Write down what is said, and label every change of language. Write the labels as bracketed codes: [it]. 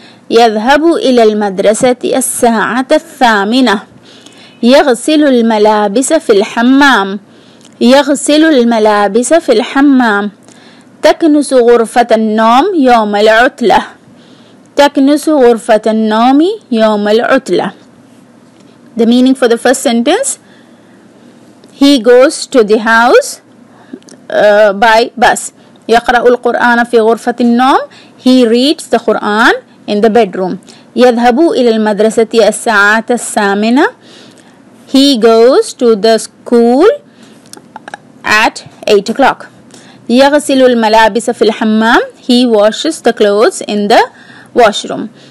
[ar] يذهب إلى المدرسة الساعة الثامنة. يغسل الملابس في الحمام. يغسل الملابس في الحمام. تكنس غرفة النوم يوم العطلة. تكنس غرفة النوم يوم العطلة. [en] The meaning for the first sentence: He goes to the house by bus. [ar] يقرأ القرآن في غرفة النوم. [en] He reads the Quran in the bedroom. [ar] يذهب إلى المدرسة الساعة الثامنة. [en] He goes to the school at 8 o'clock. [ar] يغسل الملابس في الحمام. [en] He washes the clothes in the washroom.